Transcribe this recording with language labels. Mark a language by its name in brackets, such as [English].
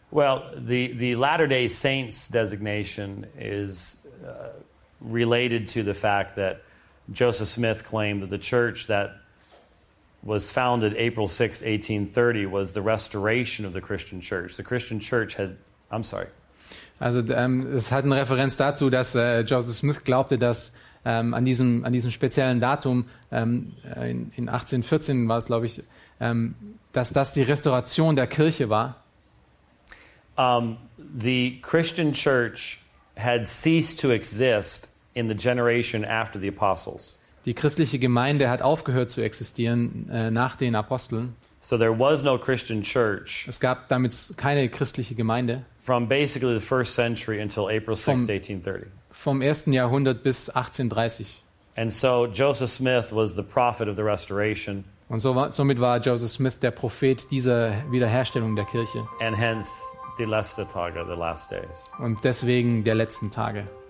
[English] Well, the Latter-day Saints designation is related to the fact that Joseph Smith claimed that the church that was founded April 6, 1830, was the restoration of the Christian church. The Christian church had, I'm sorry. [German] Also es hat eine Referenz dazu, dass Joseph Smith glaubte, dass an diesem speziellen Datum, in 1814 war es, glaube ich, dass das die Restauration der Kirche war. [English] The Christian church had ceased to exist in the generation after the apostles. [German] Die christliche Gemeinde hat aufgehört zu existieren nach den Aposteln. [English] So there was no Christian church. [German] Es gab damit keine christliche Gemeinde. [English] From basically the first century until April 6, 1830. [German] Vom ersten Jahrhundert bis 1830. [English] And so Joseph Smith was the prophet of the restoration. [German] Und somit war Joseph Smith der Prophet dieser Wiederherstellung der Kirche. [English] And hence the last Tage, the last days. [German] Und deswegen der letzten Tage.